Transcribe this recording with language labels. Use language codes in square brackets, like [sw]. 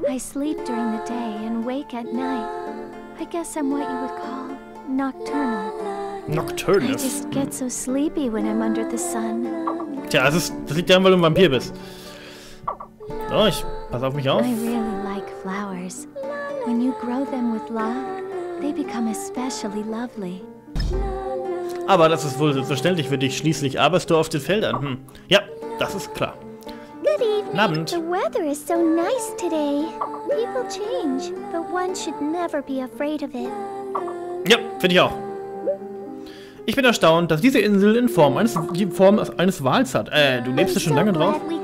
[en] I sleep during the day and wake at night. I guess I'm what you would call nocturnal. Nocturnal. I just get so sleepy when I'm under the sun. [de] Tja, das liegt daran, weil du ein Vampir bist. So, ich pass auf mich auf. [en] I really like flowers. When you grow them with love, they become especially lovely. [de] Aber das ist wohl selbstverständlich für dich. Schließlich arbeitest du auf den Feldern. Hm. Ja, das ist klar. [en] Good evening. [de] Abend. [en] The weather is so nice today. People change, but one should never be afraid of it. [de] Ja, finde ich auch. Ich bin erstaunt, dass diese Insel in Form eines Wals hat. Du lebst ja schon lange drauf.